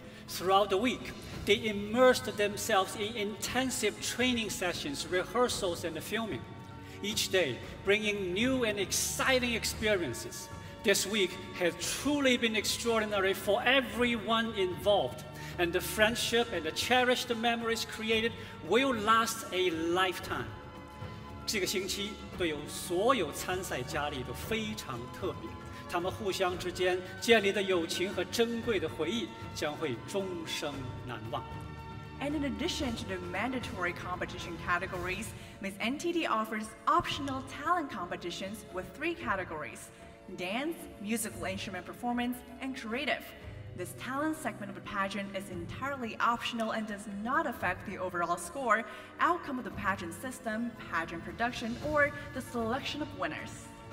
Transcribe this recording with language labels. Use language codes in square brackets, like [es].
[en] Throughout the week,They immersed themselves in intensive training sessions, rehearsals, and filming, each day bringing new and exciting experiences. This week has truly been extraordinary for everyone involved, and the friendship and the cherished memories created will last a lifetime. [zh] 这个星期对所有参赛佳丽都非常特别。他们互相之间建立的友情和珍贵的回忆将会终生难忘。 [en] And in addition to the mandatory competition categories, Miss NTD offers optional talent competitions with three categories: dance, musical instrument performance, and creative. This talent segment of the pageant is entirely optional and does not affect the overall score, outcome of the pageant system, pageant production, or the selection of winners.